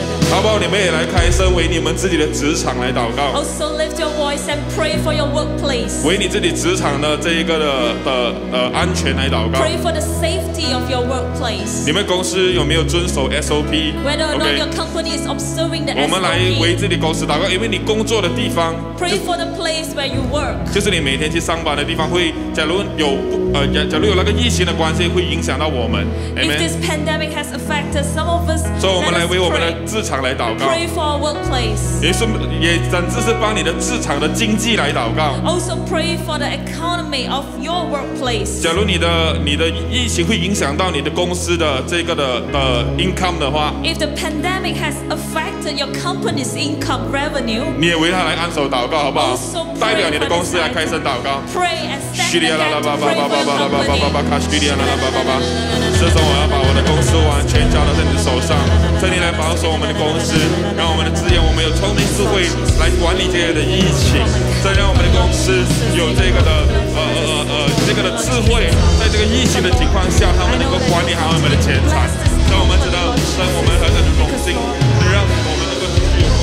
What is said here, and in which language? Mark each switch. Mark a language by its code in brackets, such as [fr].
[zh] 好不好？你们也来开声，为你们自己的职场来祷告。 [en] Also lift your voice and pray for your workplace. [zh] 为你自己职场的这一个的安全来祷告。 [en] Pray for the safety of your workplace. [zh] 你们公司有没有遵守 SOP? [en] Whether or not your company is observing the SOP. [zh] 我们来为自己公司祷告，因为你工作的地方。 [en] Pray for the place where you work. [zh] 就是你每天去上班的地方会，假如有那个疫情的关系，会影响到我们。 [en] Amen. If this pandemic has affected some of us, [zh] 所以我们来为我们的职场来祷告。 [en] Pray for our workplace. [zh] 也甚至是帮你的职场的经济来祷告。 [en] Also pray for the economy of your workplace. [zh] 假如你的疫情会影响到你的公司的这个的 income 的话 [en] ，If the pandemic has affected your company's income revenue, [zh] 你也为他来按手祷告，好不好？代表你的公司来开声祷告。 [en] Pray and stand against the pandemic. [zh] 这时候我要把我的公司完全交到在你的手上，请你来保守我们的公司，让我们的资源，我们有聪明智慧来管理这个的疫情，再让我们的公司有这个的这个的智慧，在这个疫情的情况下，他们能够管理好我们的钱财，让我们知道，让我们狠狠的忠心，让我们能够继续。